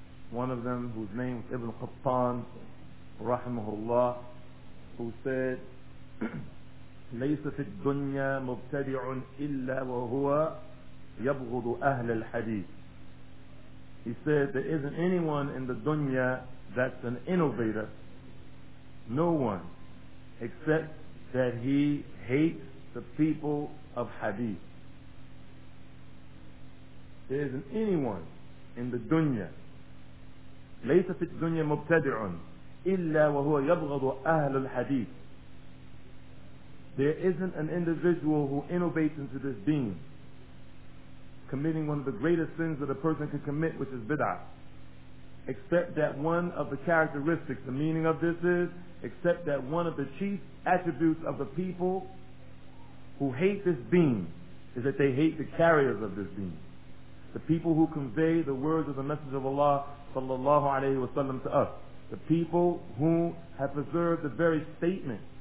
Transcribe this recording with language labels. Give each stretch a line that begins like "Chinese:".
English: One of them, whose name is Ibn Qattan rahimahullah, who said,
Arabic: لَيْسَ فِي الدُّنْيَا مُبْتَدِعٌ إِلَّا وَهُوَ يَبْغُضُ أَهْلَ الْحَدِيثِ.
English: He said, there isn't anyone in the dunya that's an innovator. No one. Except that he hates the people of hadith. There isn't anyone in the dunya,
Arabic: لَيْسَ فِي الدُّنْيَا مُبْتَدِعٌ إِلَّا وَهُوَ يَبْغَضُ أَهْلُ الْحَدِيثِ.
English: There isn't an individual who innovates into this deen, committing one of the greatest sins that a person can commit, which is bid'ah. Except that one of the characteristics, the meaning of this is, except that one of the chief attributes of the people who hate this deen is that they hate the carriers of this deen, the people who convey the words of the Messenger of Allah sallallahu alayhi wa sallam to us, the people who have preserved the very statement,